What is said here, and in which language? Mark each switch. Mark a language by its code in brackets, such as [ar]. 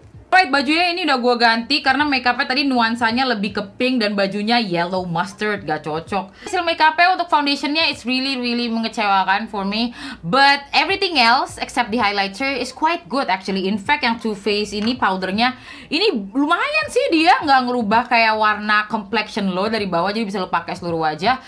[id] Right, bajunya ini udah gue ganti karena makeupnya tadi nuansanya lebih ke pink dan bajunya yellow mustard, gak cocok. Hasil makeupnya untuk foundationnya [en] it's really really [id] mengecewakan [en] for me. But everything else except the highlighter is quite good actually. In fact, [id] yang Too Faced ini powdernya ini lumayan sih, dia gak ngerubah kayak warna complexion lo dari bawah, jadi bisa lo pakai seluruh wajah.